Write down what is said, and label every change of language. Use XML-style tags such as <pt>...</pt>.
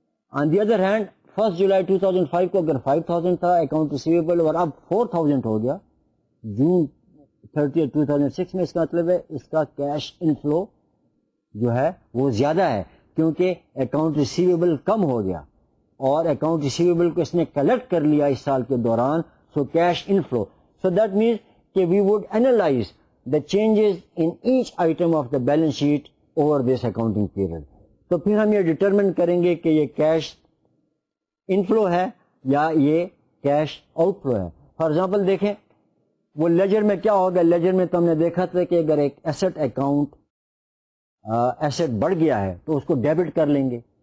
<en>on the other hand</en> <ur>1st July 2005 کو اگر 5000 تھا اکاؤنٹ ریسیویبل اور اب 4000 ہو گیا June 30th 2006 میں, اس کا مطلب ہے اس کا کیش ان فلو جو ہے وہ زیادہ ہے, کیونکہ اکاؤنٹ ریسیویبل کم ہو گیا اور اکاؤنٹ ریسیویبل کو اس نے کلیکٹ کر لیا اس سال کے دوران.</ur> <en>So cash inflow, so that means کہ we would analyse the changes in each item of the balance sheet over this accounting period.</en> <ur>تو پھر ہم یہ ڈٹرمن کریں گے کہ یہ کیش انفلو ہے یا یہ کیش آؤٹ فلو ہے. فار ایگزامپل دیکھیں وہ لیجر میں کیا ہوگا, لیجر میں تو ہم نے دیکھا تھا کہ اگر ایک ایسٹ اکاؤنٹ ایسٹ بڑھ گیا ہے تو اس کو ڈیبٹ کر لیں گے.</ur>